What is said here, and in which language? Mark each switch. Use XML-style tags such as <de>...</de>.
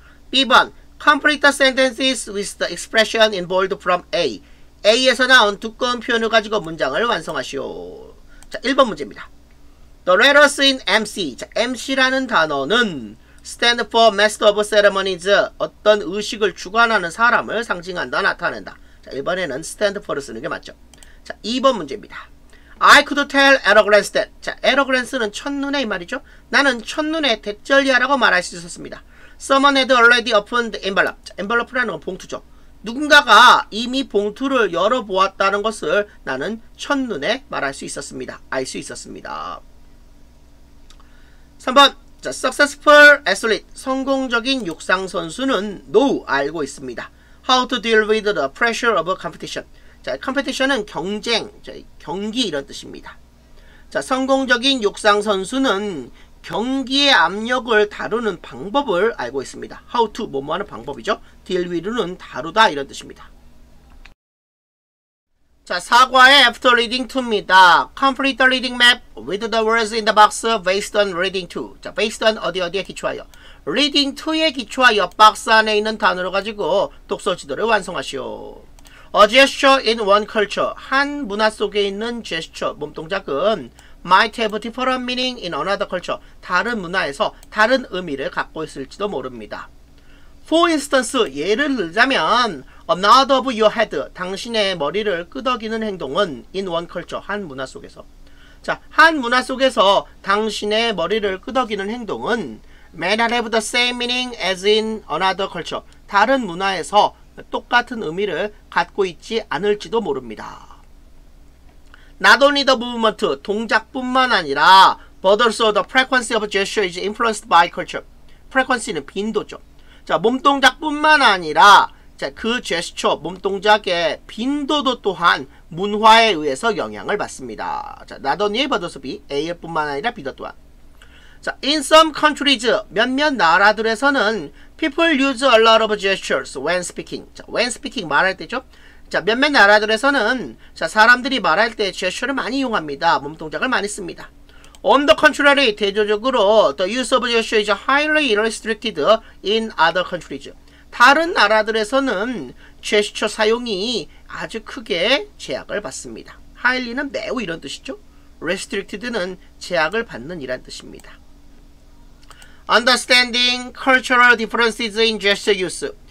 <en>B번, complete the sentences with the expression in bold from A.</en> <ko>A에서 나온 두꺼운 표현을 가지고 문장을 완성하시오. 자, 1번 문제입니다.</ko> <en>The letters in MC.</en> <ko>자, MC라는 단어는</ko> <en>stand for master of ceremonies.</en> <ko>어떤 의식을 주관하는 사람을 상징한다, 나타낸다. 자, 1번에는 stand for를 쓰는 게 맞죠. 자, 2번 문제입니다.</ko> <en>I could tell at a glance that. 자, at a glance는</en> <ko>첫눈에 이 말이죠. 나는 첫눈에 대절리하라고 말할 수 있었습니다.</ko> <en>Someone had already opened the envelope.</en> <ko>자, envelope라는 건 봉투죠. 누군가가 이미 봉투를 열어보았다는 것을 나는 첫눈에 말할 수 있었습니다. 알 수 있었습니다. 3번. 자,</ko> <en>successful athlete.</en> <ko>성공적인 육상선수는 know, 알고 있습니다.</ko> <en>How to deal with the pressure of a competition.</en> <ko>자, competition은 경쟁, 경기 이런 뜻입니다. 자, 성공적인 육상선수는 경기의 압력을 다루는 방법을 알고 있습니다. How to, 뭐뭐 하는 방법이죠. deal with는 다루다 이런 뜻입니다. 자, 사과의 after reading to입니다.</ko> <en>Complete the reading map with the words in the box based on reading to.</en> <ko>자, based on 어디어디에 기초하여. reading to에 기초하여 박스 안에 있는 단어를 가지고 독서 지도를 완성하시오.</ko> <en>A gesture in one culture.</en> <ko>한 문화 속에 있는</ko> <en>gesture,</en> <ko>몸동작은</ko> <en>might have different meaning in another culture.</en> <ko>다른 문화에서 다른 의미를 갖고 있을지도 모릅니다.</ko> <en>For instance,</en> <ko>예를 들자면</ko> <en>a nod of your head,</en> <ko>당신의 머리를 끄덕이는 행동은</ko> <en>in one culture,</en> <ko>한 문화 속에서. 자, 한 문화 속에서 당신의 머리를 끄덕이는 행동은</ko> <en>may not have the same meaning as in another culture.</en> <ko>다른 문화에서 똑같은 의미를 갖고 있지 않을지도 모릅니다.</ko> <en>Not only the movement,</en> <ko>동작뿐만 아니라</ko> <en>but also the frequency of gesture is influenced by culture.</en> <ko>frequency는 빈도죠. 자, 몸동작뿐만 아니라 자, 그 gesture, 몸동작의 빈도도 또한 문화에 의해서 영향을 받습니다.</ko> <en>자, not only but also be,</en> <ko>A뿐만 아니라 B도 또한.</ko> <en>자, in some countries,</en> <ko>몇몇 나라들에서는</ko> <en>people use a lot of gestures when speaking. 자, when speaking</en> <ko>말할 때죠. 자, 몇몇 나라들에서는 자, 사람들이 말할 때 제스처를 많이 이용합니다. 몸 동작을 많이 씁니다.</ko> <en>On the contrary,</en> <ko>대조적으로</ko> <en>the use of gesture is highly restricted in other countries.</en> <ko>다른 나라들에서는 제스처 사용이 아주 크게 제약을 받습니다. Highly는 매우 이런 뜻이죠. Restricted는 제약을 받는 이란 뜻입니다.</ko> <en>Understanding cultural differences in gesture use.</en>